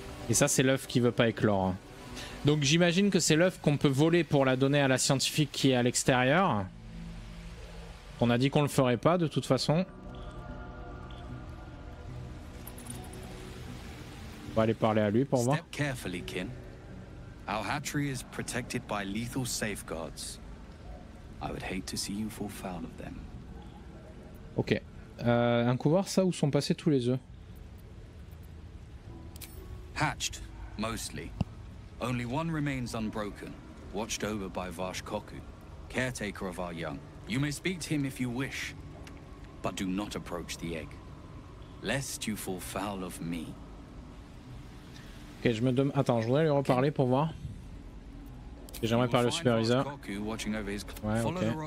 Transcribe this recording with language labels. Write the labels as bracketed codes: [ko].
[fr] Et ça, c'est l'œuf qui veut pas éclore. Donc j'imagine que c'est l'œuf qu'on peut voler pour la donner à la scientifique qui est à l'extérieur. On a dit qu'on le ferait pas, de toute façon. On va aller parler à lui pour voir. [en] Step carefully, Kin. Our hatchery is protected by lethal safeguards. I would hate to see you fall foul of them. Ok. [fr] Un couvoir, ça, où sont passés tous les œufs? [en] Hatched, mostly. Only one remains unbroken, watched over by Varsh Koku, caretaker of our young. You may speak to him if you wish, but do not approach the egg, lest you fall foul of me. [fr] Ok, je me demande... Attends, je voudrais lui reparler pour voir. J'aimerais parler au superviseur. Ouais, ok.